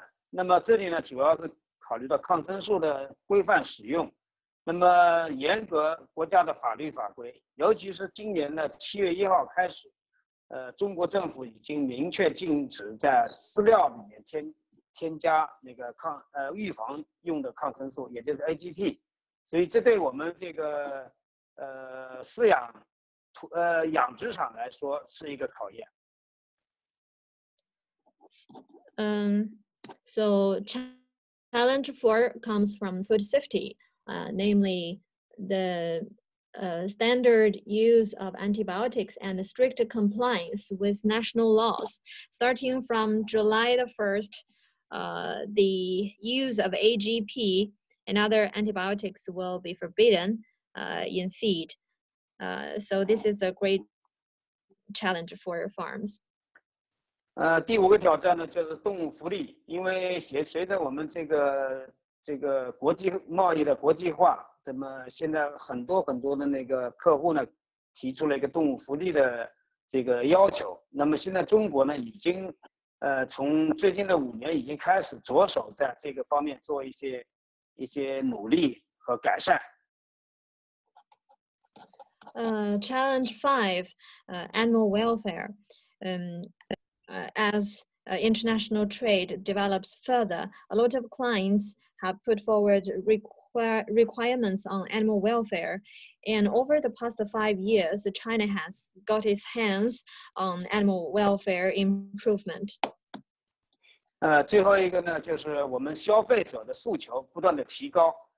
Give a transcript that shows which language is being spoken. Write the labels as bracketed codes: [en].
[zh] 那么这里呢，主要是考虑到抗生素的规范使用，那么严格国家的法律法规，尤其是今年的7月1号开始，中国政府已经明确禁止在饲料里面添加那个预防用的抗生素，也就是 AGT， 所以这对我们这个饲养养殖场来说是一个考验。 [en] So challenge four comes from food safety, namely the standard use of antibiotics and strict compliance with national laws. Starting from July the 1st, the use of AGP and other antibiotics will be forbidden in feed. So this is a great challenge for farms. [zh] 第五个挑战呢，就是动物福利。因为随着我们这个国际贸易的国际化，那么现在很多很多的那个客户呢，提出了一个动物福利的这个要求。那么现在中国呢，已经从最近的5年已经开始着手在这个方面做一些努力和改善。 [en] Challenge five, animal welfare, As international trade develops further, a lot of clients have put forward requirements on animal welfare. And over the past 5 years, China has got its hands on animal welfare improvement. [zh] 最后一个呢，就是我们消费者的诉求不断的提高。